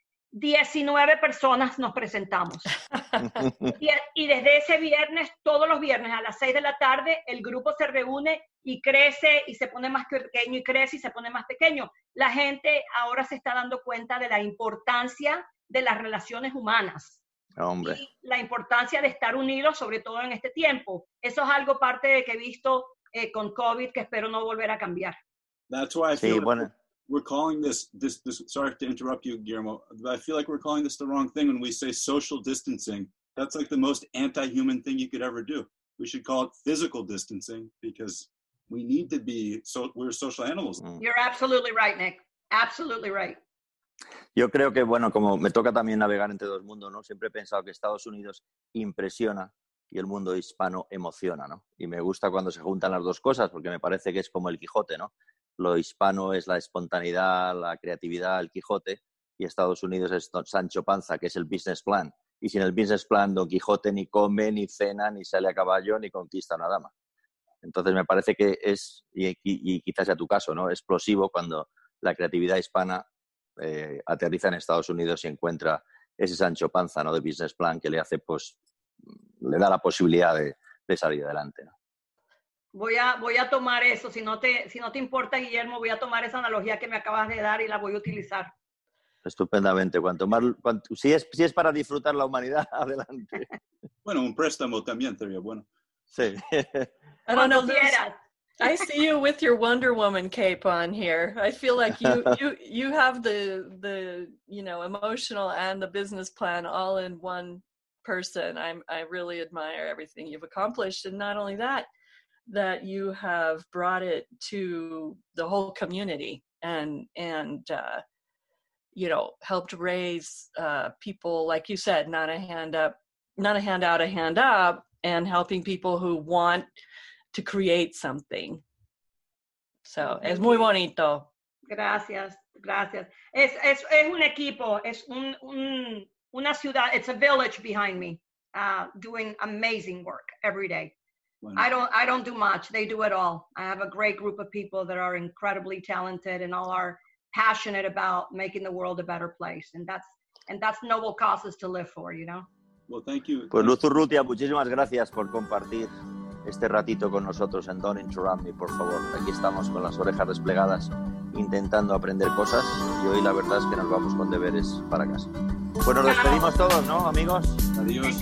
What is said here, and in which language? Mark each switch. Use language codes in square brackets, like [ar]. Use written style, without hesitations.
[es] 19 personas nos presentamos. Y desde ese viernes, todos los viernes a las 6 de la tarde, el grupo se reúne y crece y se pone más pequeño y crece y se pone más pequeño. La gente ahora se está dando cuenta de la importancia de las relaciones humanas. Hombre. Y la importancia de estar unidos, sobre todo en este tiempo. Eso es algo parte de que he visto con COVID, que espero no volver a cambiar. [en] That's why I feel we're calling this, sorry to interrupt you, Guillermo, but I feel like we're calling this the wrong thing when we say social distancing. That's like the most anti-human thing you could ever do. We should call it physical distancing because we need to be, so we're social animals. Mm. You're absolutely right, Nick. Absolutely right. [es] Yo creo que, bueno, como me toca también navegar entre dos mundos, ¿no? Siempre he pensado que Estados Unidos impresiona y el mundo hispano emociona, ¿no? Y me gusta cuando se juntan las dos cosas porque me parece que es como el Quijote, ¿no? Lo hispano es la espontaneidad, la creatividad, el Quijote, y Estados Unidos es Sancho Panza, que es el business plan. Y sin el business plan, Don Quijote ni come, ni cena, ni sale a caballo, ni conquista a una dama. Entonces me parece que es, y quizás sea tu caso, ¿no? Explosivo cuando la creatividad hispana aterriza en Estados Unidos y encuentra ese Sancho Panza, ¿no? De business plan que le hace, pues, le da la posibilidad de salir adelante, ¿no? Voy a tomar eso. Si no te importa, Guillermo, voy a tomar esa analogía que me acabas de dar y la voy a utilizar. Estupendamente. Si es para disfrutar la humanidad, adelante. Bueno, un préstamo también sería bueno. Sí. Cuando quieras. [en] I see you with your Wonder Woman cape on here. I feel like you have the you know, emotional and the business plan all in one person. I really admire everything you've accomplished, and not only that, that you have brought it to the whole community and you know, helped raise people, like you said, not a hand out, a hand up, and helping people who want to create something. [es] So, es muy bonito. Gracias, gracias. Es un equipo, es una ciudad, [en] it's a village behind me, doing amazing work every day. [es] Bueno. [en] I don't do much, they do it all. I have a great group of people that are incredibly talented and all are passionate about making the world a better place. And that's noble causes to live for, you know? Well, thank you. [es] Pues Luz Urrutia, muchísimas gracias por compartir este ratito con nosotros en Don't Interrupt Me, por favor. Aquí estamos con las orejas desplegadas intentando aprender cosas y hoy la verdad es que nos vamos con deberes para casa. Pues nos despedimos todos, ¿no, amigos? Adiós.